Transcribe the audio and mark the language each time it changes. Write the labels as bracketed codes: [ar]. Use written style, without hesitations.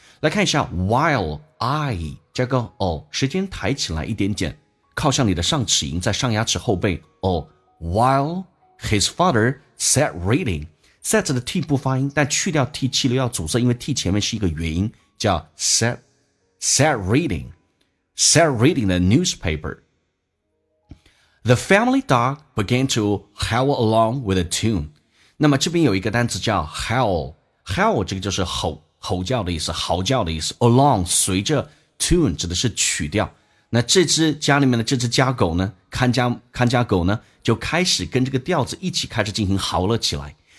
[zh] 来看一下 while I 加个 o, 时间抬起来一点点，靠向你的上齿龈，在上牙齿后背 o, while his father sat reading, sat 的 t 不发音，但去掉 t 气流要阻塞，因为 t 前面是一个元音，叫 sat reading the newspaper. [en] The family dog began to howl along with a tune. [zh] 那么这边有一个单词叫 howl, 这个就是吼叫的意思 along 随着 tune 指的是曲调。那这只家里面的这只家狗呢，看家狗呢就开始跟这个调子一起开始进行嚎了起来。